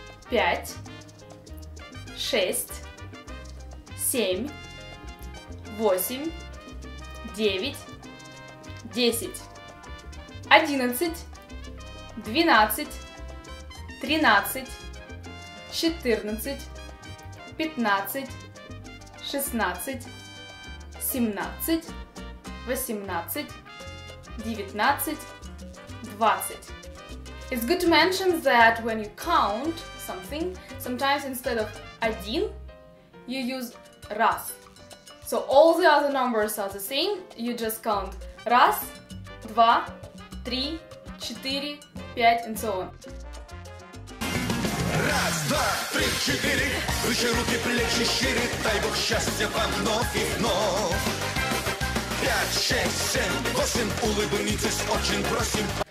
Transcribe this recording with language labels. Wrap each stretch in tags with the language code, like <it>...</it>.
<ru>пять, шесть, семь, восемь, девять, десять, одиннадцать, двенадцать, тринадцать, четырнадцать, пятнадцать, шестнадцать, 17, 18, 19, 20.</ru> <en>It's good to mention that when you count something, sometimes instead of один, you use раз. So all the other numbers are the same, you just count</en> <ru>раз, два, три, четыре, пять,</ru> <en>and so on.</en> <ru>Раз, два, три, четыре, крыши, руки, плечи, шире, дай Бог счастья вам вновь и вновь. Пять, шесть, семь, восемь, улыбнитесь, очень просим.</ru>